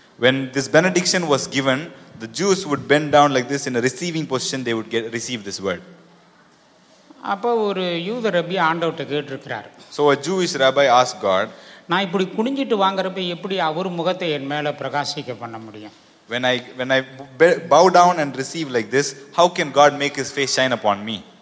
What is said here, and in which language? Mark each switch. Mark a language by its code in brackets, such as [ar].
[en] When this benediction was given, the Jews would bend down like this in a receiving position. They would receive this word. [ta] அப்போ ஒரு யூத ரபி ஆண்டவர்ட்ட கேட்டிருக்கிறாரு. [en] So a Jewish rabbi asked God, [ta] நான் இப்படி குனிஞ்சிட்டு வாங்குறப்ப எப்படி அவர் முகத்தை என் மேல பிரகாசிக்க பண்ண முடியும்? [en] When I bow down and receive like this, how can God make his face shine upon me?